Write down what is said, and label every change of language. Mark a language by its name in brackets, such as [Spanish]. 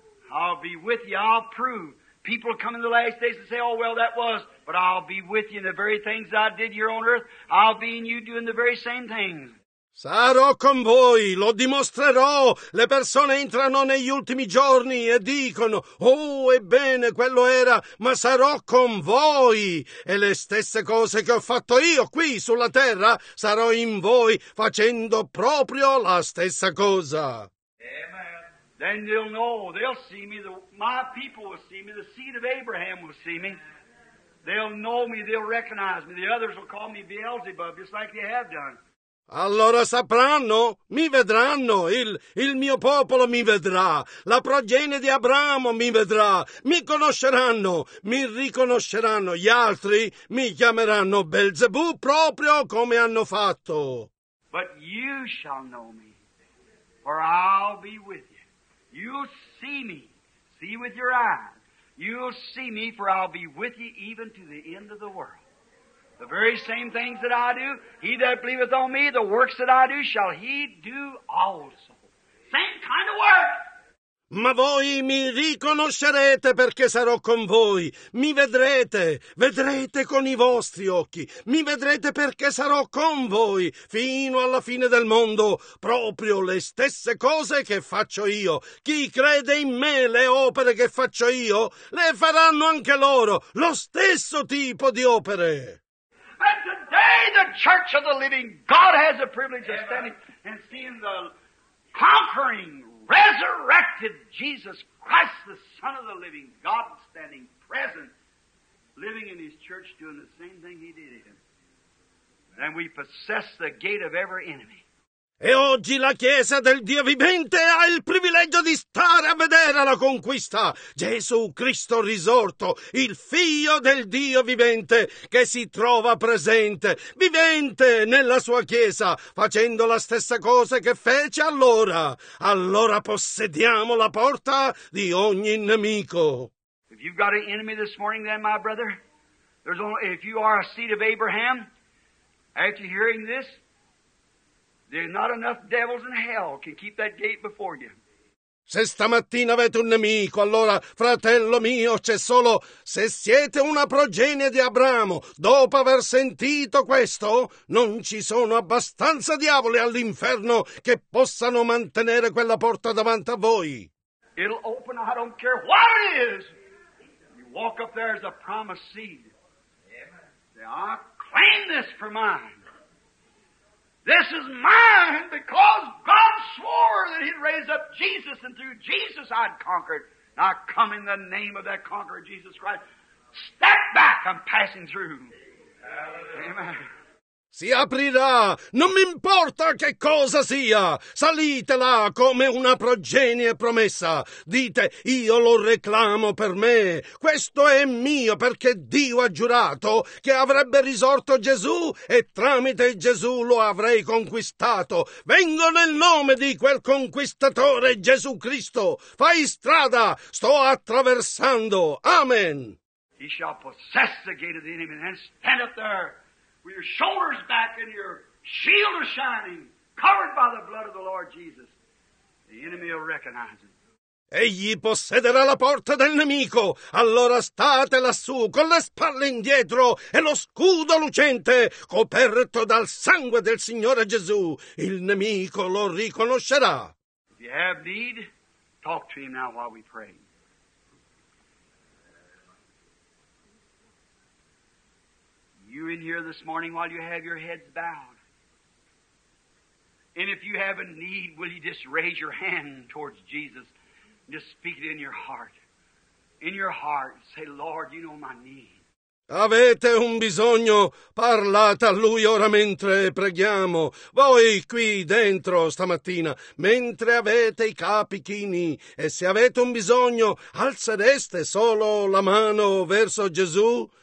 [English] I'll be with you, I'll prove. People come in the last days and say, oh well, that was. But I'll be with you in the very things I did here on earth. I'll be in you doing the very same things. [Italian] Sarò con voi, lo dimostrerò. Le persone entrano negli ultimi giorni e dicono, oh, ebbene, quello era, ma sarò con voi. E le stesse cose che ho fatto io qui sulla terra, sarò in voi facendo proprio la stessa cosa. [English] Amen. Then they'll know, they'll see me, my people will see me, the seed of Abraham will see me. They'll know me, they'll recognize me. The others will call me Beelzebub, just like they have done. [Italian] Allora sapranno, mi vedranno, il mio popolo mi vedrà, la progenie di Abramo mi vedrà, mi conosceranno, mi riconosceranno, gli altri mi chiameranno Belzebù proprio come hanno fatto. [English] But you shall know me, for I'll be with you. You'll see me, see with your eyes. You'll see me, for I'll be with you even to the end of the world. The very same things that I do, he that believeth on me, the works that I do, shall he do also. Same kind of work. [Italian] Ma voi mi riconoscerete perché sarò con voi. Mi vedrete, vedrete con i vostri occhi. Mi vedrete perché sarò con voi fino alla fine del mondo. Proprio le stesse cose che faccio io. Chi crede in me, le opere che faccio io, le faranno anche loro. Lo stesso tipo di opere. [English] And today the church of the living God has the privilege of standing and seeing the conquering, resurrected Jesus Christ, the Son of the living God, standing present, living in his church, doing the same thing he did in. And we possess the gate of every enemy. [Italian] E oggi la Chiesa del Dio vivente ha il privilegio di stare a vedere la conquista. Gesù Cristo risorto, il Figlio del Dio vivente, che si trova presente, vivente nella sua Chiesa, facendo la stessa cosa che fece allora. Allora possediamo la porta di ogni nemico. [English] If you've got an enemy this morning, then, my brother, there's only, if you are a seed of Abraham, after hearing this, there's not enough devils in hell can keep that gate before you. [Italian] Se stamattina avete un nemico, allora, fratello mio, c'è solo... Se siete una progenie di Abramo, dopo aver sentito questo, non ci sono abbastanza diavoli all'inferno che possano mantenere quella porta davanti a voi. [English] It'll open, I don't care what it is. You walk up there as a promised seed. Say, I claim this for mine. This is mine because God swore that he'd raise up Jesus, and through Jesus I'd conquered. I come in the name of that conqueror, Jesus Christ. Step back, I'm passing through. Hallelujah. Amen. [Italian] Si aprirà, non mi importa che cosa sia, salite là come una progenie promessa, dite io lo reclamo per me, questo è mio perché Dio ha giurato che avrebbe risorto Gesù e tramite Gesù lo avrei conquistato, vengo nel nome di quel conquistatore Gesù Cristo, fai strada, sto attraversando, amen. [English] He shall possess the gate of the enemy and stand up there. With your shoulders back and your shield are shining, covered by the blood of the Lord Jesus, the enemy will recognize him. [Italian] Egli possederà la porta del nemico, allora state lassù con le spalle indietro e lo scudo lucente coperto dal sangue del Signore Gesù. Il nemico lo riconoscerà. [English] If you have need, talk to him now while we pray. You're in here this morning while you have your heads bowed. And if you have a need, will you just raise your hand towards Jesus and just speak it in your heart. In your heart, say, Lord, you know my need. [Italian] Avete un bisogno? Parlate a Lui ora mentre preghiamo. Voi qui dentro stamattina, mentre avete i capi chini, e se avete un bisogno, alzereste solo la mano verso Gesù?